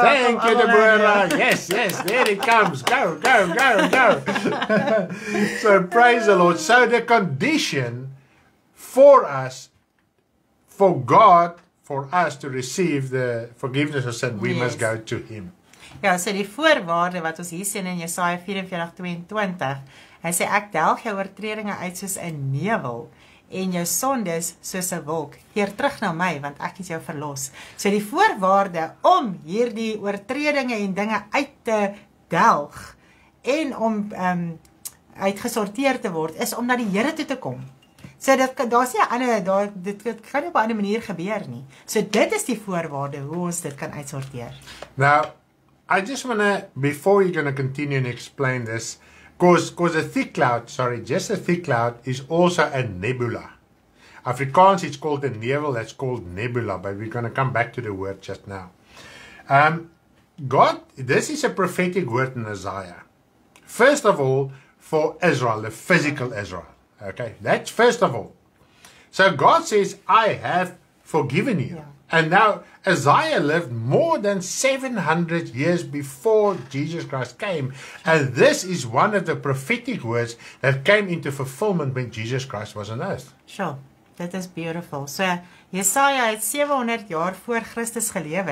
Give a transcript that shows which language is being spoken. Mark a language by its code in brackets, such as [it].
[en] thank you, Deborah. Yes, yes, there it comes. Go, go, go, go. So praise the Lord. So the condition for us, for God, for us to receive the forgiveness of sin, we must go to Him. [af] Ja, so die voorwaarde wat ons hier sien in Jesaja 44:22, hy sê, ek delg jou oortredinge uit soos 'n nevel. En jou sondes soos 'n wolk. Keer terug na my, want ek het jou verlos. So die voorwaarde om hierdie oortredinge en dinge uit te delg en om uitgesorteer te word, is om na die Here toe te kom. So dit daar's nie 'n ander dit kan op 'n ander manier gebeur nie. So dit is die voorwaarde hoe ons dit kan uitsorteer. [en] Now, I just want to, before you're going to continue and explain this, Because a thick cloud, just a thick cloud is also a nebula. Afrikaans, it's called a nevel, that's called nebula, but we're going to come back to the word just now. God, this is a prophetic word in Isaiah. First of all, for Israel, the physical Israel. Okay, that's first of all. So God says, I have forgiven you. Yeah. And now, Isaiah lived more than 700 years before Jesus Christ came. And this is one of the prophetic words that came into fulfillment when Jesus Christ was on earth. Sure, that is beautiful. [af] So, Jesaja het 700 jaar voor Christus gelewe.